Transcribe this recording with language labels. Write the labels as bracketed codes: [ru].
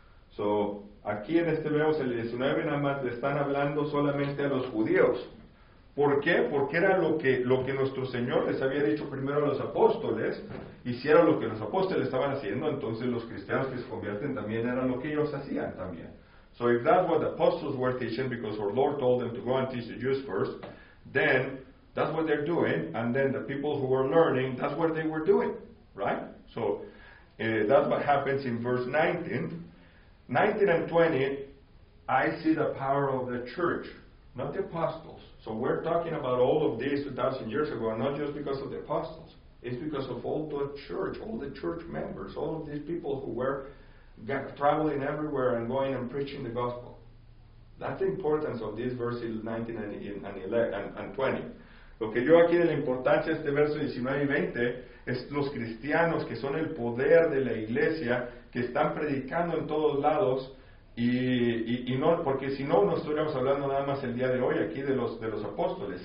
[es] So aquí en este vemos el 19 nada más le están hablando solamente a los judíos. ¿Por qué? Porque era lo que nuestro Señor les había dicho primero a los apóstoles, hicieron lo que los apóstoles estaban haciendo, entonces los cristianos que se convierten también eran lo que ellos hacían también. [en] So if that's what the apostles were teaching, because our Lord told them to go and teach the Jews first, then that's what they're doing, and then the people who were learning, that's what they were doing, right? So that's what happens in verse 19. 19 and 20, I see the power of the church, not the apostles. So we're talking about all of this 2,000 years ago, not just because of the apostles. It's because of all the church, all the church members, all of these people who were traveling everywhere and going and preaching the gospel. That's the importance of these verses 19 and 20. [es] Lo que yo aquí de la importancia de este verso 19 y 20 es los cristianos que son el poder de la iglesia, que están predicando en todos lados, y no, porque si no, no estuviéramos hablando nada más el día de hoy aquí de los apóstoles.